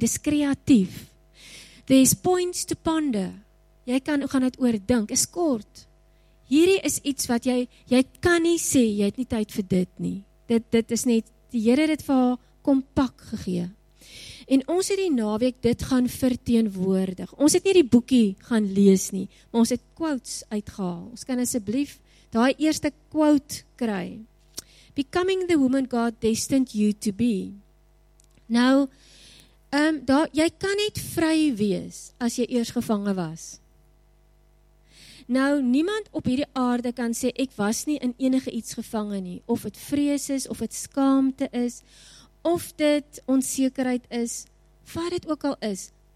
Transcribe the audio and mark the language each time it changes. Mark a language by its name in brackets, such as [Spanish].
[Afrikaans] Dis kreatief. [English] There's points to ponder. [Afrikaans] Jy kan gaan dit oordink. Is kort. Hierdie is iets wat jy kan nie sê jy het nie tyd vir dit nie. Dit is net die Here dit vir haar kompak gegee. En ons het die naweek dit gaan verteenwoordig. Ons het nie die boekie gaan lees nie, maar ons het quotes uitgehaal. Ons kan asseblief daai eerste quote kry. [English] Becoming the woman God destined you to be. [Afrikaans] Nou, jy kan net vry wees as jy eers gevange was. Nou, niemand op hierdie aarde kan sê, ek was nie in enige iets gevange nie. Of het vrees is, of het skaamte is, of dit onsekerheid is, wat het ook al is.